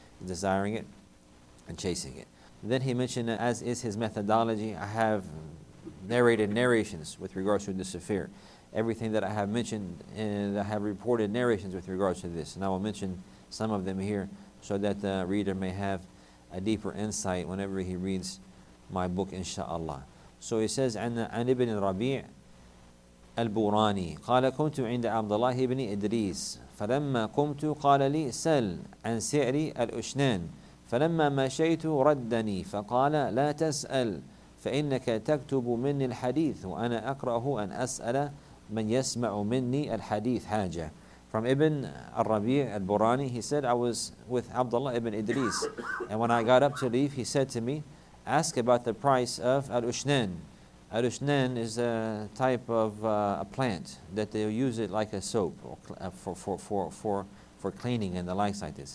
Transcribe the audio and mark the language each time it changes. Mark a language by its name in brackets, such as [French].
[English] Desiring it and chasing it. Then he mentioned, as is his methodology, I have narrations with regards to this affair. Everything that I have mentioned, and I have reported narrations with regards to this. And I will mention some of them here so that the reader may have a deeper insight whenever he reads my book, inshaAllah. So he says, [Arabic] عن ابن ربيع البوراني قال كنت عند عبد الله بن إدريس فلما قمت قال لي سل عن سعر الأشنان فلما مشيت ردني فقال لا تسأل فإنك تكتب مني الحديث وأنا أكره أن أسأل من يسمع مني الحديث حاجة. [English] From Ibn al-Rabi' al-Burani, he said, I was with Abdullah ibn Idris, and when I got up to leave, he said to me, ask about the price of al-Ushnan. Al-Ushnan is a type of a plant that they use it like a soap or for cleaning and the likes like this.